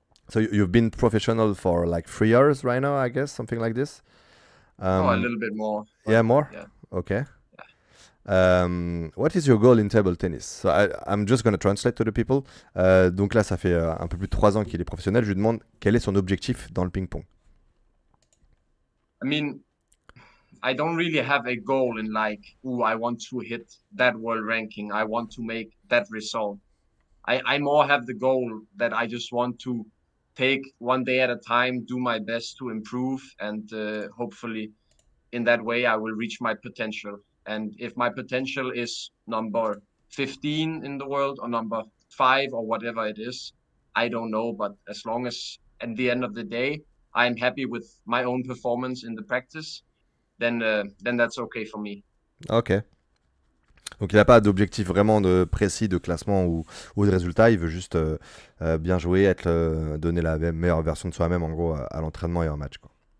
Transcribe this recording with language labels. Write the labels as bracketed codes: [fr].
[en] So you've been professional for like 3 years right now, I guess, something like this? A little bit more. Yeah. Okay. What is your goal in table tennis? So I'm just going to translate to the people. [fr] Donc là, ça fait un peu plus de 3 ans qu'il est professionnel. Je lui demande quel est son objectif dans le ping-pong. [en] I mean, I don't really have a goal in like, I want to hit that world ranking. I want to make that result. I more have the goal that I just want to take one day at a time, do my best to improve, and hopefully in that way I will reach my potential. And if my potential is number 15 in the world or number 5 or whatever it is, I don't know. But as long as at the end of the day, I'm happy with my own performance in the practice, then that's okay for me. Okay. [fr] Donc il n'a pas d'objectif vraiment de précis de classement ou de résultat. Il veut juste bien jouer, donner la meilleure version de soi-même en gros à l'entraînement et en match, quoi.